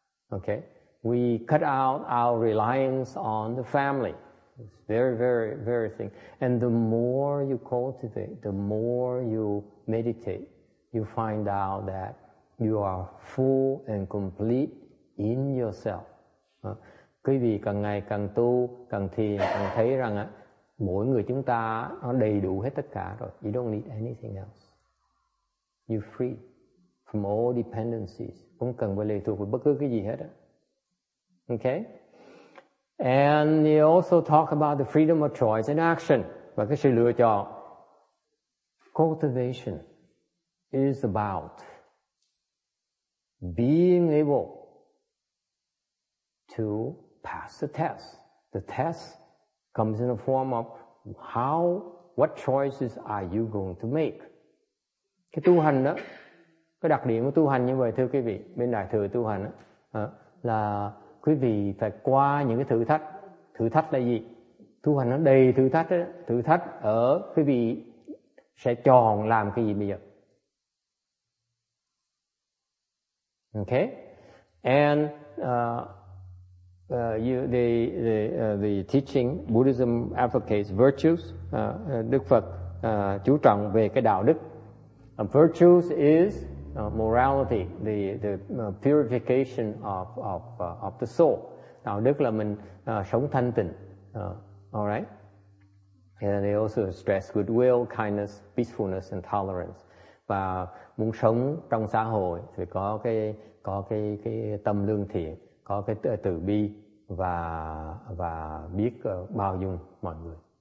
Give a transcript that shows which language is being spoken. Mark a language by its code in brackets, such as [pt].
[en] Okay, we cut out our reliance on the family. It's very, very, very thing. And the more you cultivate, the more you meditate, you find out that you are full and complete in yourself. [vi] Quý vị càng ngày càng tu, càng thiền, càng thấy rằng á, mỗi người chúng ta nó đầy đủ hết tất cả rồi. [en] You don't need anything else. You're free from all dependencies. [vi] Không cần phải lệ thuộc vào bất cứ cái gì hết á. [en] Okay? And you also talk about the freedom of choice and action. [vi] Và cái sự lựa chọn. [en] Cultivation is about being able to pass the test. The test comes in the form of what choices are you going to make? [vi] Cái tu hành đó, cái đặc điểm của tu hành như vậy thưa quý vị, bên đại thừa tu hành đó, là quý vị phải qua những cái thử thách. Thử thách là gì? Tu hành nó đầy thử thách đó. Thử thách ở quý vị sẽ chọn làm cái gì bây giờ? [en] Okay, and the teaching Buddhism advocates virtues. [vi] Đức Phật chú trọng về cái đạo đức. [en] Virtues is morality, the purification of the soul. [vi] Đạo đức là mình sống thanh tịnh. [en] All right. And they also stress goodwill, kindness, peacefulness, and tolerance. [vi] Và muốn sống trong xã hội thì có cái tâm lương thiện, có cái từ bi và biết bao dung mọi người.